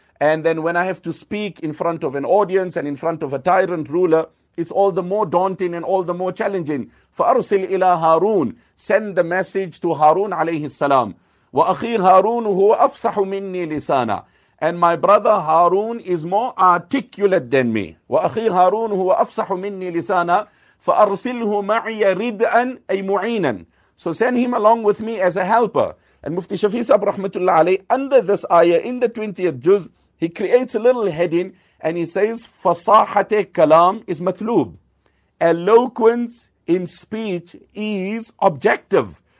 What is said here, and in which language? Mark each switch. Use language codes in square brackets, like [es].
[en] And then when I have to speak in front of an audience and in front of a tyrant ruler, it's all the more daunting and all the more challenging. [ar] فَأَرْسِلْ إِلَىٰ هَارُونَ. [en] Send the message to Harun alayhi salam. [ar] وَأَخِي هَارُونُ هُوَ أَفْصَحُ مِنِّي لِسَانًا. [en] And my brother Harun is more articulate than me. [ar] وَأَخِي هَارُونُ هُوَ أَفْصَحُ مِنِّي لِسَانًا. فَأَرْسِلْهُ مَعِيَ رِدْءًا أَي مُعِينًا. [en] So send him along with me as a helper. And Mufti Shafi Sab Rahmatullah Alayh, under this ayah in the 20th juz, he creates a little heading and he says, Fasahate kalam is matloob. Eloquence in speech is objective.